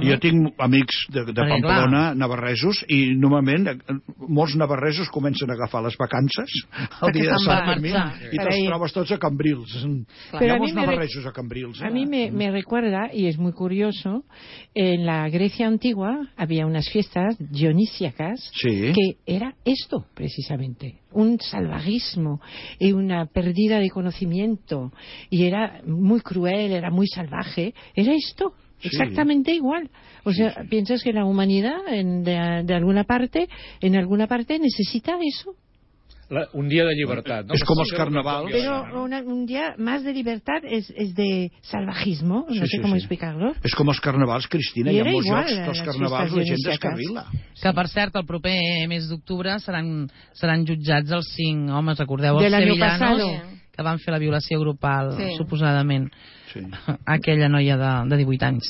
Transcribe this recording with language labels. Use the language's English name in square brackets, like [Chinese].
[Catalan] Jo tinc amics de Pamplona, navarresos, i normalment molts navarresos comencen a agafar les vacances el dia de Sant Fermín i te'ls trobes tots a Cambrils. Hi ha molts navarresos a Cambrils. [Spanish] A mi me recuerda, [Catalan] i és molt curiós, en la Grècia antigua havia unes festes dionisíacas [Spanish] que era esto, precisamente. un salvajismo y una pérdida de conocimiento, y era muy cruel, era muy salvaje, era esto. Sí. Exactamente igual. O sea, ¿piensas que la humanidad en alguna parte necesita eso? Un día de libertad, ¿no? Es como el carnaval. Pero un día más de libertad es de salvajismo, no sé cómo explicarlo. [Catalan] És com els carnavals, Cristina, hi ha molts jocs que els carnavals la gent descarrila. Que, per cert, el proper mes d'octubre seran jutjats els 5 homes, recordeu, els sevillanos, que van fer la violació grupal, suposadament. Sí. Aquella noia de 18 anys.